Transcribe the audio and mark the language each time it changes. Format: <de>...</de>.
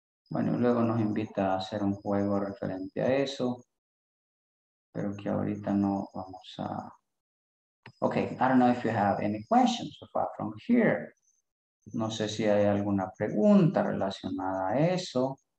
<es>Bueno, luego nos invita a hacer un juego referente a eso. Pero que ahorita no vamos a...</es> <en>Okay, I don't know if you have any questions so far from here.</en> <es>No sé si hay alguna pregunta relacionada a eso.</es>